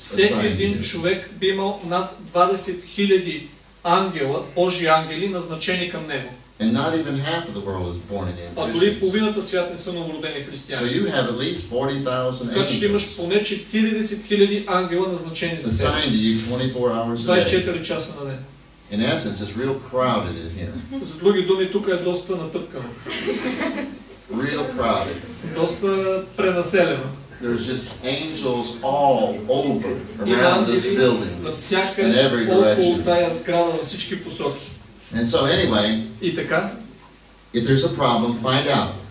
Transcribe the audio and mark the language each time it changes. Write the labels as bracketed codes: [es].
[bg] Всеки един човек би имал над 20,000 ангела, Божи ангели, назначени към него. [en] And not even half of the world is born again. [bg] А дори половината свят не са новородени християни. [en] So you have at least 40,000 angels. [bg] Значи имаш поне 40,000 ангела, назначени за теб. [en] Assigned to you 24 hours a day. [bg] 24 часа на ден. [en] In essence, it's real crowded in here. [bg] С други думи, тук е доста натъпкано. [en] Real crowded. [bg] Доста пренаселено. [en] There's just angels all over around this building in every direction. And so anyway, if there's a problem, find out.